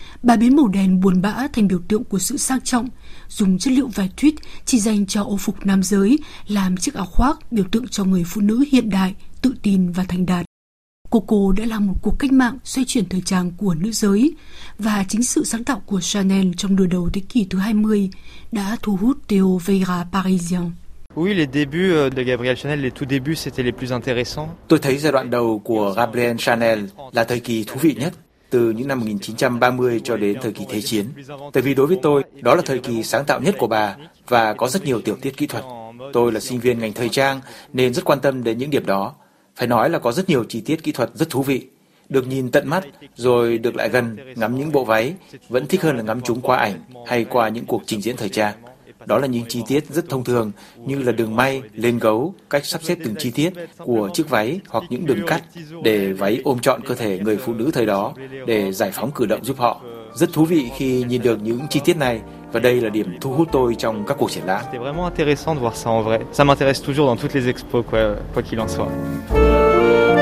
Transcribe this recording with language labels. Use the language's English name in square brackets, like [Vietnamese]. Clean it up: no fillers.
[Vietnamese] Bà biến màu đen buồn bã thành biểu tượng của sự sang trọng, dùng chất liệu vải tweed chỉ dành cho ô phục nam giới, làm chiếc áo khoác biểu tượng cho người phụ nữ hiện đại, tự tin và thành đạt. Coco đã làm một cuộc cách mạng xoay chuyển thời trang của nữ giới, và chính sự sáng tạo của Chanel trong nửa đầu thế kỷ thứ 20 đã thu hút Theo Veyra Parisien. [French] Oui, les débuts de Gabrielle Chanel, les tout débuts, c'était les plus intéressants. [Vietnamese] Tôi thấy giai đoạn đầu của Gabrielle Chanel là thời kỳ thú vị nhất, từ những năm 1930 cho đến thời kỳ Thế chiến. Tại vì đối với tôi, đó là thời kỳ sáng tạo nhất của bà và có rất nhiều tiểu tiết kỹ thuật. Tôi là sinh viên ngành thời trang nên rất quan tâm đến những điểm đó. Phải nói là có rất nhiều chi tiết kỹ thuật rất thú vị. Được nhìn tận mắt, rồi được lại gần, ngắm những bộ váy, vẫn thích hơn là ngắm chúng qua ảnh hay qua những cuộc trình diễn thời trang. Đó là những chi tiết rất thông thường, như là đường may, lên gấu, cách sắp xếp từng chi tiết của chiếc váy hoặc những đường cắt để váy ôm trọn cơ thể người phụ nữ thời đó, để giải phóng cử động giúp họ. Rất thú vị khi nhìn được những chi tiết này, và đây là điểm thu hút tôi trong các cuộc triển lãm. [French] C'est vraiment intéressant de voir ça en vrai. Ça m'intéresse toujours dans toutes les expos, quoi qu'il en soit.